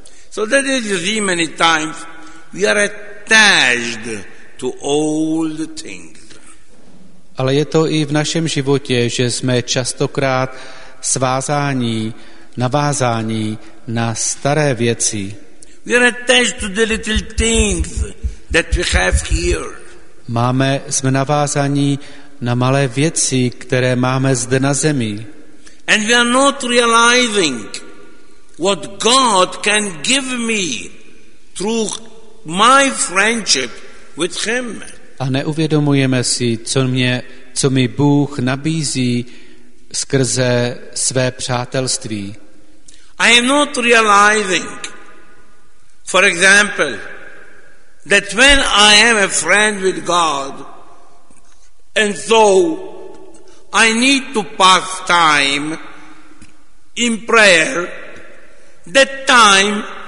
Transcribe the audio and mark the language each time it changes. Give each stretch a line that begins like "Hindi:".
English: So that is the reason many times we are attached to old things.
Czech: Ale je to i v našem životě, že jsme častokrát svázání, navázání na staré věci.
English: We are attached to the little things that we have here.
Czech: Jsme navázání na malé věci, které máme zde na zemi.
English: And we are not realizing what God can give me through my friendship with him.
Czech: A neuvědomujeme si, co mi Bůh nabízí skrze své přátelství.
English: I am not realizing, for example, that when I am a friend with God, and so I need to pass time in prayer, that time